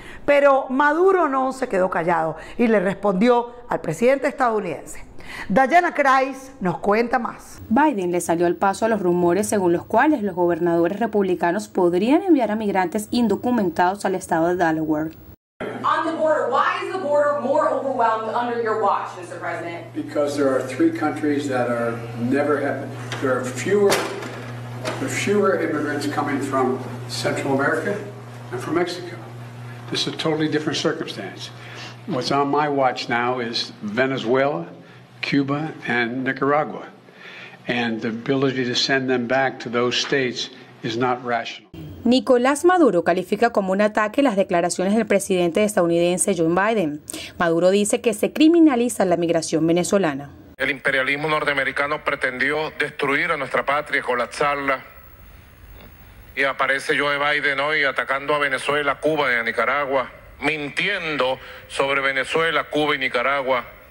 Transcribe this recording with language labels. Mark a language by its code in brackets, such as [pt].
[es] Pero Maduro no se quedó callado y le respondió al presidente estadounidense. Dayana Kreis nos cuenta más. Biden le salió al paso a los rumores según los cuales los gobernadores republicanos podrían enviar a migrantes indocumentados al estado de Delaware. [en] On the border, why is the border more overwhelmed under your watch, Mr. President? Because there are three countries that are never happened. There are fewer immigrants coming from Central America and from Mexico. This is a totally different circumstance. What's on my watch now is Venezuela, Cuba and Nicaragua, and the ability to send them back to those states is not rational. [es] Nicolás Maduro califica como un ataque las declaraciones del presidente estadounidense Joe Biden. Maduro dice que se criminaliza la migración venezolana. El imperialismo norteamericano pretendió destruir a nuestra patria, colapsarla. Y aparece Joe Biden hoy atacando a Venezuela, Cuba y a Nicaragua, mintiendo sobre Venezuela, Cuba y Nicaragua.